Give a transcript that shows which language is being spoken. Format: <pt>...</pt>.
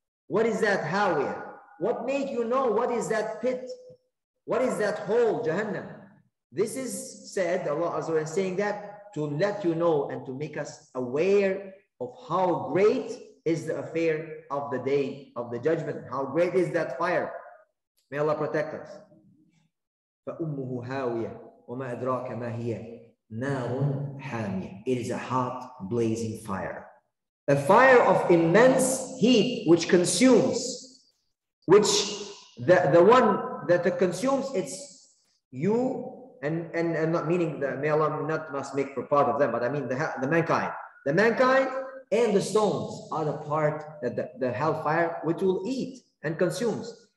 <en>What is that Hawiyah? What made you know, what is that pit? What is that hole, Jahannam? This is said, Allah Azza wa Jalla is saying that, to let you know and to make us aware of how great is the affair of the day of the judgment. How great is that fire? May Allah protect us.</en> <ar>فَأُمُّهُ هَاوِيَةً وَمَا أَدْرَاكَ مَا هِيَ نَارٌ حَامِيَةٌ,</ar> <en>it is a hot blazing fire. A fire of immense heat which consumes, which the one that it consumes, it's you and not meaning that may Allah not must make for part of them, but I mean the mankind. The mankind and the stones are the part that the hellfire which will eat and consumes.</en>